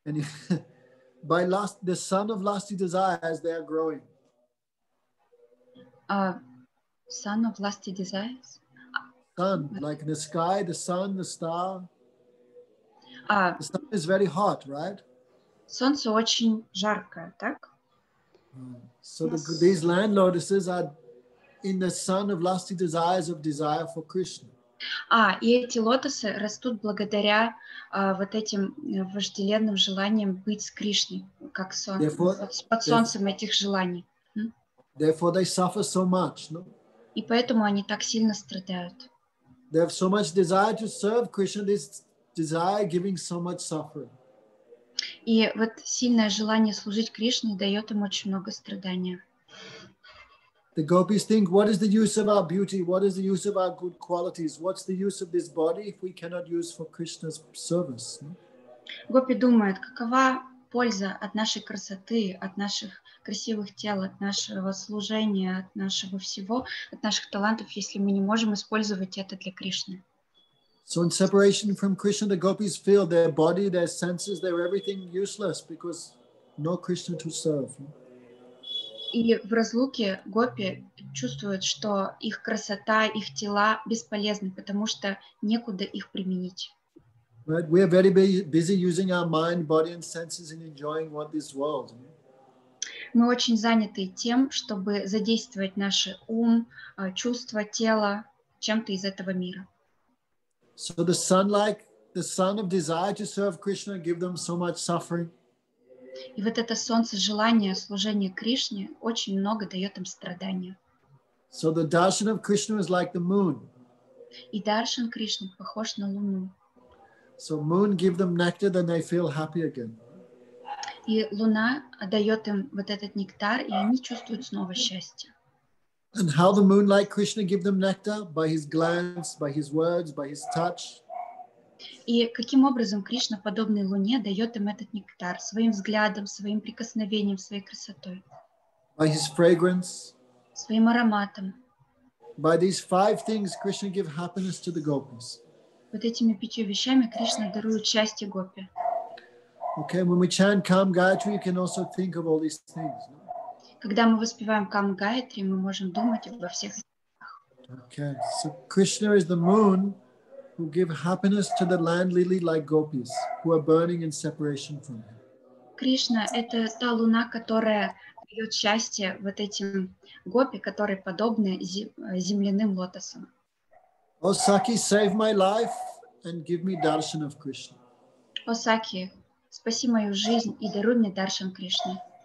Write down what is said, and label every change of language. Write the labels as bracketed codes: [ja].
[en] And by lust, the son of lusty desires, they are growing. Son of lusty desires? Sun, like in the sky, the sun, the star. The sun is very hot, right? [ru] Солнце очень жаркое, так? [en] So these land lotuses are in the sun of lusty desires of desire for Krishna. [ru] И эти лотосы растут благодаря вот этим вожделенным желаниям быть с Кришной, как солнце, под солнцем этих желаний. [en] Therefore they suffer so much, no? [ru] И поэтому они так сильно страдают. [en] They have so much desire to serve Krishna, this desire giving so much suffering. [ru] И вот сильное желание служить Кришне дает им очень много страдания. [en] The gopis think, what is the use of our beauty? What is the use of our good qualities? What's the use of this body if we cannot use for Krishna's service? [ru] Гопи думают, какова польза от нашей красоты, от наших красивых тел, от нашего служения, от нашего всего, от наших талантов, если мы не можем использовать это для Кришны? [en] So in separation from Krishna, the gopis feel their body, their senses, their everything useless because no Krishna to serve. [ru] Или в разлуке гопи чувствуют, что их красота, их тела бесполезны, потому что некуда их применить. Мы очень заняты тем, чтобы задействовать наш ум, чувства, тело чем-то из этого мира. [en] So the sun-like the sun of desire to serve Krishna give them so much suffering? [ru] И вот это солнце желания служения Кришне очень много дает им страдания. [en] So the darshan of Krishna is like the moon. [ru] И даршан Кришны похож на луну. [en] So moon give them nectar, then they feel happy again. [ru] И луна дает им вот этот нектар, и они чувствуют снова счастье. [en] And how the moon like Krishna give them nectar? By his glance, by his words, by his touch. [ru] И каким образом Кришна, подобный луне, дает им этот нектар? Своим взглядом, своим прикосновением, своей красотой. [en] By his fragrance. [ru] Своим ароматом. [en] By these five things, Krishna give happiness to the gopis. [ru] Вот этими пятью вещами Кришна дарует счастье гопи. [en] Okay, when we chant Kam Gayatri, you can also think of all these things. No? [ru] Когда мы воспеваем Кам Гайатри, мы можем думать обо всех вещах. [en] Okay, so Krishna is the moon who give happiness to the land lily-like gopis who are burning in separation from him. [ru] Кришна — это та луна, которая дает счастье вот этим гопи, которые подобны земляным лотосам. [en] O Sakhi, save my life and give me darshan of Krishna. [ru] O Sakhi, спаси мою жизнь и даруй мне даршан Кришны.